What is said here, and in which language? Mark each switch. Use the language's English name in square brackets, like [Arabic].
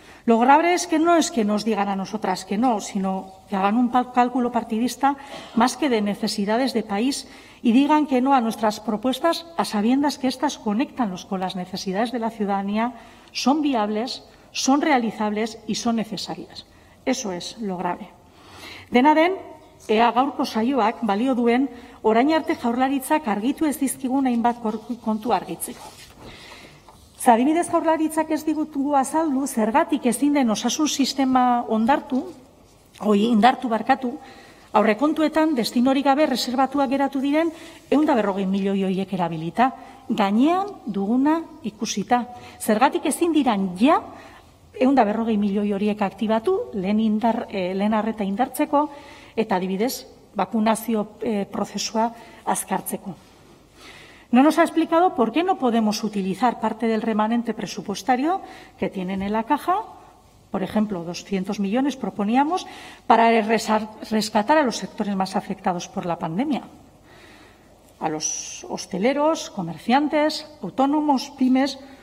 [Spanish] Lo grave es que no es que nos digan a nosotras que no, sino que hagan un cálculo partidista más que de necesidades de país y digan que no a nuestras propuestas a sabiendas que estas conectan con las necesidades de la ciudadanía, son viables, son realizables y son necesarias. Eso es lo grave. [Basque] Dena den, ea gaurko saioak balio duen orain arte Jaurlaritzak argitu ez dizkigun hainbat kontu argitzeko. Adibidez, Jaurlaritzak ez digutugu azaldu zergatik ezin den osasun sistema indartu aurrekontuetan destinorik gabe reservatuak geratu diren 140 milioi horiek erabilita. Gainean duguna ikusita. Zergatik ezin diran ja 140 milioi horiek aktibatu lehen arreta indartzeko eta adibidez vacunazio prozesua azkartzeko. [Spanish] No nos ha explicado por qué no podemos utilizar parte del remanente presupuestario que tienen en la caja por ejemplo, 200 millones proponíamos para rescatar a los sectores más afectados por la pandemia, a los hosteleros, comerciantes, autónomos, pymes.